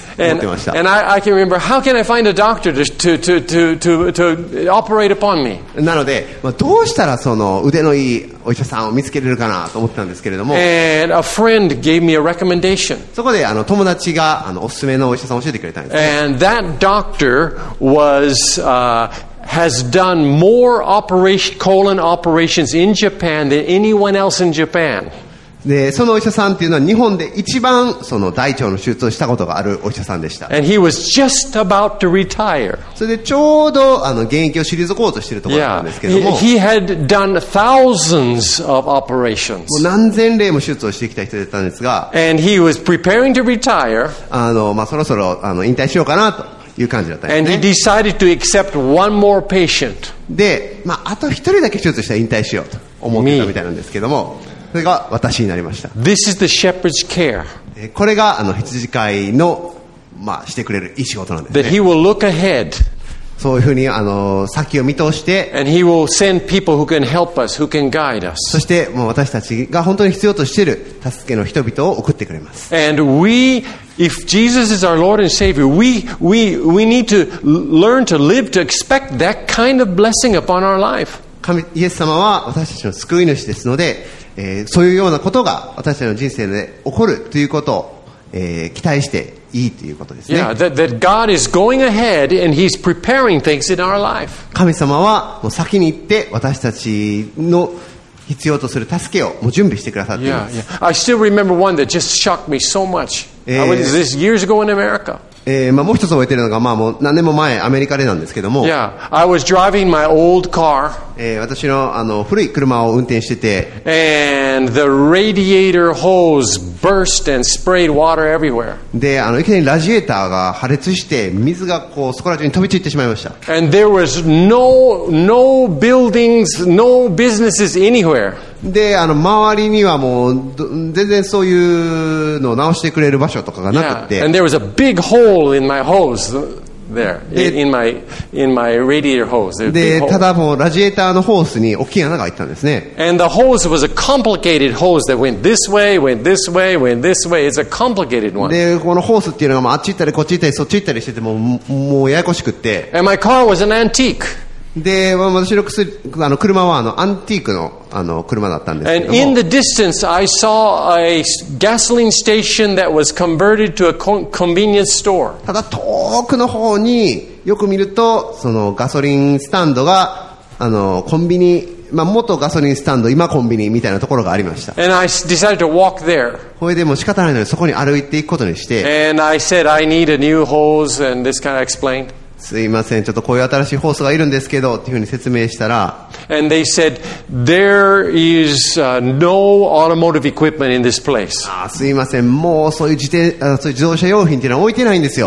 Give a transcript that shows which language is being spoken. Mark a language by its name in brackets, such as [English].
[English] And I can remember, how can I find a doctor to operate upon me? [Japanese] なので、まあ、どうしたらその腕のいいお医者さんを見つけれるかなと思ったんですけれども。 [English] And a friend gave me a recommendation. [Japanese] そこであの友達があのおすすめのお医者さんを教えてくれたんです、ね。 [English] And that doctor was, has done more operation, colon operations in Japan than anyone else in Japan. [Japanese] でそのお医者さんっていうのは日本で一番その大腸の手術をしたことがあるお医者さんでした。 [English] And he was just about to retire. [Japanese] それでちょうどあの現役を退こうとしているところなんですけども。 [English] Yeah. He had done thousands of operations. [Japanese] もう何千例も手術をしてきた人だったんですが。 [English] And he was preparing to retire. [Japanese] あの、まあ、そろそろあの引退しようかなと。いう感じだったね、 [English] and he decided to accept one more patient. [Japanese] で、まあ、あと一人だけ手術したら引退しようと思ってたみたいなんですけども、それが私になりました。 [English] This is the shepherd's care. [Japanese] これがあの羊飼いの、まあ、してくれるいい仕事なんですね。 [English] That he will look ahead. [Japanese] そういうふうにあの先を見通して、 [English] and he will send people who can help us, who can guide us. [Japanese] そしてもう私たちが本当に必要としている助けの人々を送ってくれます。 [English] And weIf Jesus is our Lord and Savior, we need to learn to live to expect that kind of blessing upon our life. [Japanese] イエス様は私たちの救い主ですので、そういうようなことが私たちの人生で起こるということを、期待していいということですね。 [English] Yeah, that God is going ahead and He's preparing things in our life. [Japanese] 神様はもう先に行って私たちの必要とする助けをもう準備してくださっています。 [English] Yeah, yeah. I still remember one that just shocked me so much. This years ago in America. [Japanese] まあ、もう一つ覚えてるのが、まあ、もう何年も前アメリカでなんですけども、 [English] yeah. I was driving my old car. [Japanese] 私の、あの、古い車を運転してて、 [English] and the radiator hose burst and sprayed water everywhere. [Japanese] で、あの、いきなりラジエーターが破裂して水がこうそこら中に飛び散ってしまいました。 [English] and there was no buildings, no businesses anywhere. [Japanese] で、あの、周りにはもう、全然そういうのを直してくれる場所とかがなくて。 [English] Yeah. And there was a big hole in my hose there. In my radiator hose. [Japanese] で、ただもうラジエーターのホースに大きい穴が開いたんですね。 [English] And the hose was a complicated hose that went this way, went this way, went this way. It's a complicated one. [Japanese] で、このホースっていうのがあっち行ったり、こっち行ったり、そっち行ったりしてて、もうややこしくって。 [English] And my car was an antique. [Japanese] で私 あの車はあのアンティーク あの車だったんですけども。 [English] In the distance, I saw a gasoline station that was converted to a convenience store. [Japanese] ただ遠くの方によく見るとそのガソリンスタンドがあのコンビニ、まあ、元ガソリンスタンド今コンビニみたいなところがありました。 [English] And I decided to walk there. [Japanese] これでも仕方ないのでそこに歩いていくことにして。 [English] And I said I need a new hose and this kind of explained. [Japanese] すいませんちょっとこういう新しいホースがいるんですけどっていうふうに説明したら [English] And they said, There is, no automotive equipment in this place. [Japanese] あすいませんもうそういう自転あそういう自動車用品っていうのは置いてないんですよ